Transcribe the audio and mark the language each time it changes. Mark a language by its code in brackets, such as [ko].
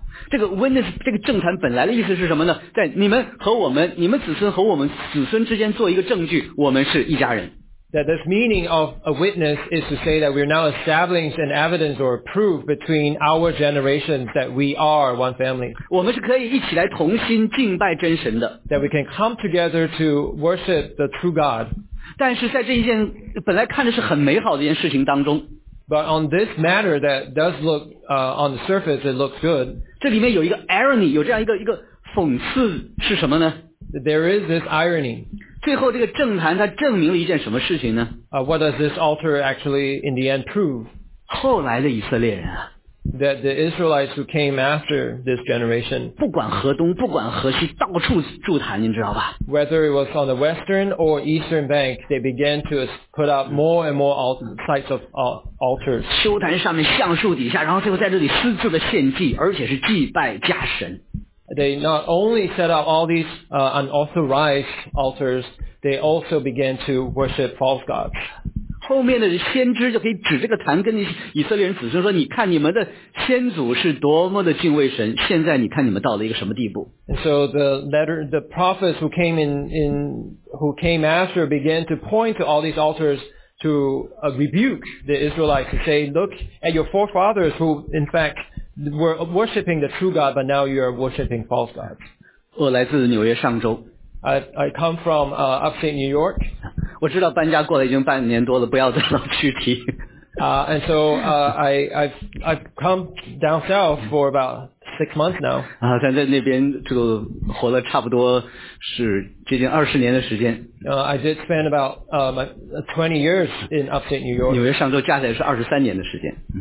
[zh] 这个 witness 这个正坛本来的意思是什么呢？在你们和我们，你们子孙和我们子孙之间做一个证据，我们是一家人。 [en] That this meaning of a witness is to say that we're now establishing an evidence or proof between our generations that we are one family. [zh] 我们是可以一起来同心敬拜真神的。 [en] That we can come together to worship the true God. [zh] 但是在这一件本来看着是很美好的一件事情当中。 [en] But on this matter that does look, on the surface, it looks good. [zh] 这里面有一个 irony, 有这样一个讽刺是什么呢? [en] There is this irony. [zh] 最后这个政坛它证明了一件什么事情呢? [en] What does this altar actually in the end prove? [zh] 后来的以色列人啊。 [en] That the Israelites who came after this generation, [zh] 不管河东，不管河西，到处筑坛，您知道吧？ [en] Whether it was on the western or eastern bank, they began to put up more and more sites of altars. [zh] 丘坛上面，橡树底下，然后最后在这里私自的献祭，而且是祭拜假神。 [en] They not only set up all these unauthorized altars, they also began to worship false gods. [zh] 后面的先知就可以指这个坛跟以色列人子孙说你看你们的先祖是多么的敬畏神现在你看你们到了一个什么地步 [en] And so the prophets who came who came after began to point to all these altars to rebuke the Israelites to say look at your forefathers who in fact were worshipping the true God but now you are worshipping false gods [zh] 我来自纽约上州 [en] I come from upstate New York. [zh] 我知道搬家过了已经半年多了，不要再老去提。 [en] And so I've come down south for about 6 months now. [zh] 啊，在那边就活了差不多是接近20年的时间。 [en] I did spend about 20 years in upstate New York. [zh] 纽约上周加起来是23年的时间。